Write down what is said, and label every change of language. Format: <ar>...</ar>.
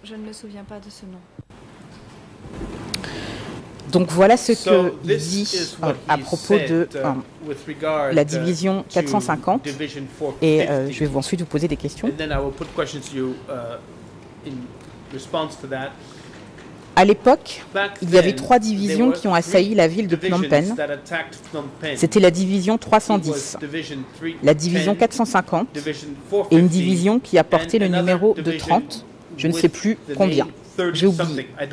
<fr>Je ne me souviens pas de ce nom. Donc voilà ce que dit à propos de la division 450. Et je vais ensuite vous poser des questions.</fr> <en>And then I will put questions to you in response to that.</en> <fr>À l'époque, il y avait trois divisions qui ont assailli la ville de Phnom Penh. C'était la division 310, la division 450 et une division qui a porté le numéro de 30, je ne sais plus combien, j'ai oublié.</fr>